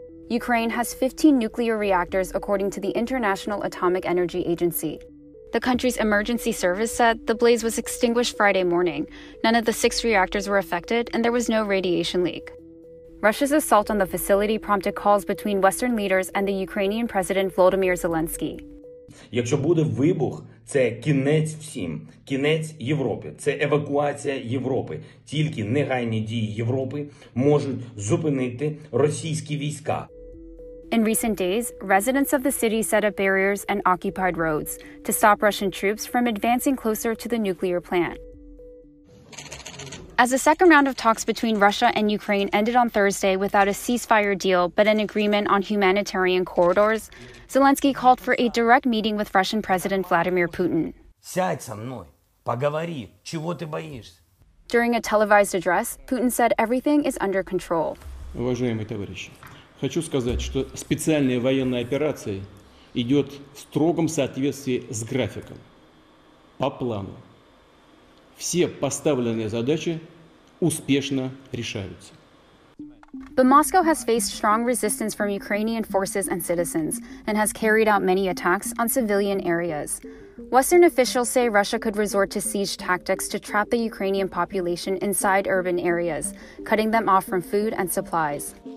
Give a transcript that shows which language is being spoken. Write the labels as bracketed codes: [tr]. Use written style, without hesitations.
[en] Ukraine has 15 nuclear reactors, according to the International Atomic Energy Agency. The country's emergency service said the blaze was extinguished Friday morning. None of the six reactors were affected, and there was no radiation leak. Russia's assault on the facility prompted calls between Western leaders and the Ukrainian President Volodymyr Zelensky. [uk] Якщо буде вибух, це кінець всім, кінець Європі, це евакуація Європи. Тільки негайні дії Європи можуть зупинити російські війська. [en] In recent days, residents of the city set up barriers and occupied roads to stop Russian troops from advancing closer to the nuclear plant. As the second round of talks between Russia and Ukraine ended on Thursday without a ceasefire deal but an agreement on humanitarian corridors, Zelensky called for a direct meeting with Russian President Vladimir Putin. [ru] Сядь со мной, поговори, чего ты боишься? [en] During a televised address, Putin said everything is under control. [ru] Уважаемые товарищи, хочу сказать, что специальная военная операция идет в строгом соответствии с графиком, по плану. Все поставленные задачи успешно решаются. [en] But Moscow has faced strong resistance from Ukrainian forces and citizens and has carried out many attacks on civilian areas. Western officials say Russia could resort to siege tactics to trap the Ukrainian population inside urban areas, cutting them off from food and supplies.